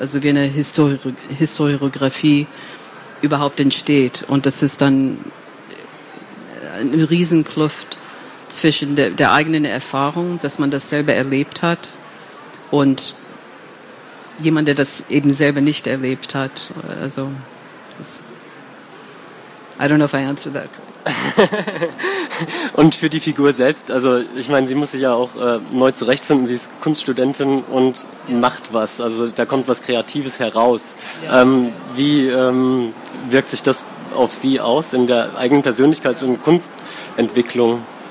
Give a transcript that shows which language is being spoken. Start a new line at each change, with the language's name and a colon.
German: Also wie eine Historiografie überhaupt entsteht. Und das ist dann eine Riesenkluft zwischen der eigenen Erfahrung, dass man das selber erlebt hat, und jemand, der das eben selber nicht erlebt hat. Also, das,
English: I don't know if I answered that.
German: Und für die Figur selbst, also ich meine, sie muss sich ja auch neu zurechtfinden. Sie ist Kunststudentin und macht was. Also da kommt was Kreatives heraus. Ja. Wie wirkt sich das auf sie aus in der eigenen Persönlichkeit und Kunstentwicklung?